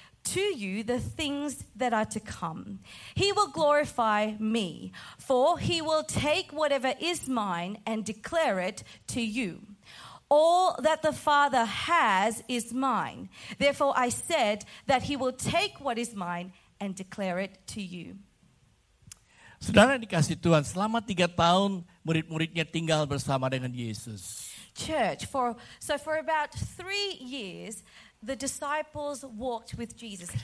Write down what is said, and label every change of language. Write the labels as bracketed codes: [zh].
[en] to you the things that are to come. He will glorify me, for he will take whatever is mine and declare it to you. All that the Father has is mine. Therefore, I said that he will take what is mine and declare it to you. [id] Saudara dikasih Tuhan, selama 3 tahun murid-muridnya tinggal bersama dengan Yesus. [en] Church, for about 3 years, the disciples walked with Jesus.